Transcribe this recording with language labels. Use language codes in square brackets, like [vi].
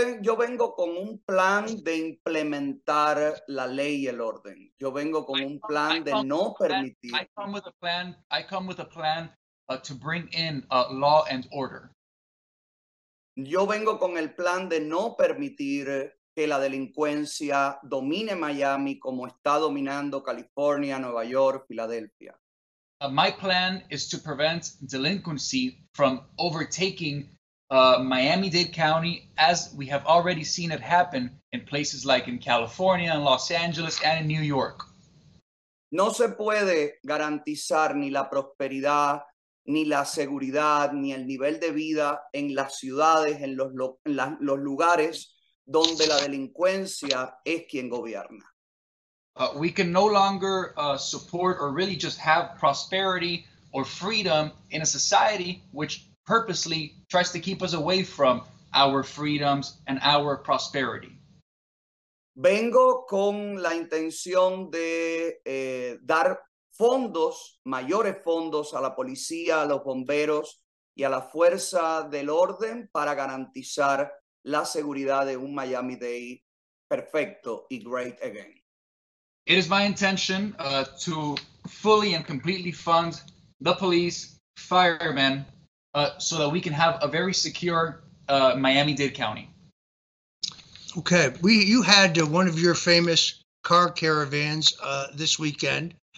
[es] Yo vengo con un plan de implementar la ley y el orden. Yo vengo con un plan de no permitir. [en] I come with a plan to bring in law and order. [es] Yo vengo con el plan de no permitir que la delincuencia domine Miami como está dominando California, Nueva York, Filadelfia. [en] My plan is to prevent delinquency from overtaking Miami-Dade County, as we have already seen it happen in places like in California, in Los Angeles, and in New York. [es] No se puede garantizar ni la prosperidad, ni la seguridad, ni el nivel de vida en las ciudades, en los lugares donde la delincuencia es quien gobierna. [en] We can no longer support or really just have prosperity or freedom in a society which purposely tries to keep us away from our freedoms and our prosperity. [es] Vengo con la intención de dar fondos, mayores fondos a la policía, a los bomberos y a la fuerza del orden para garantizar la seguridad de un Miami-Dade perfecto y [en] great again. It is my intention to fully and completely fund the police, firemen, so that we can have a very secure Miami-Dade County. Okay, you had one of your famous car caravans this weekend.